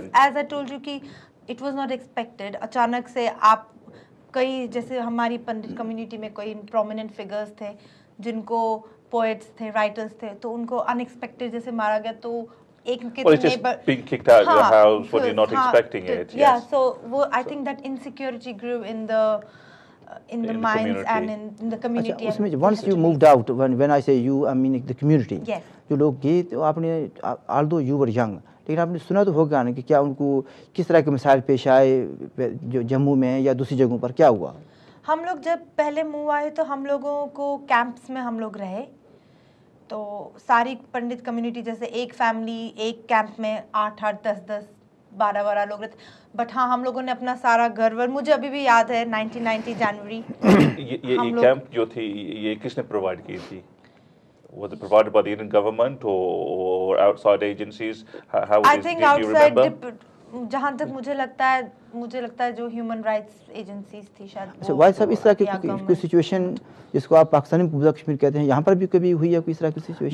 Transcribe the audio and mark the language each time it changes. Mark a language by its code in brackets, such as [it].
[hi] Because as I told you कि it was not expected, अचानक से आप कई जैसे हमारी पंडित कम्युनिटी में कई प्रोमिनेंट फिगर्स थे जिनको पोएट्स थे राइटर्स थे, तो उनको अनएक्सपेक्टेड जैसे मारा गया, तो एक सो [en] वो I think that insecurity grow in the in the minds and in the community. [hi] Achha, usme, [en] once you moved out, when I say you, I mean the community. Yes. [hi] Jo log gaye the, aapne, [en] although you were young, [hi] lekin aapne suna to hoga na ki kya unko kis tarah ke masail pesh aaye jo Jammu mein ya dusri jagahon par kya hua? हम लोग जब पहले move आए तो हम लोगों को camps में हम लोग रहे, तो सारी पंडित कम्युनिटी जैसे एक फैमिली एक कैंप में आठ आठ दस दस बारह बारह लोग रहते, बट हाँ हम लोगों ने अपना सारा घर वर मुझे अभी भी याद है 1990 जनवरी ये कैंप जो थी ये किसने प्रोवाइड की थी? [en] Was it provided by the Indian government or outside agencies? [hi] जहाँ तक मुझे लगता है जो ह्यूमन राइट्स एजेंसीज थी शायद। सो व्हाई सब इस तरह की सिचुएशन जिसको आप पाकिस्तान में पूरा कश्मीर कहते हैं यहाँ पर भी कभी हुई है कोई इस तरह की सिचुएशन?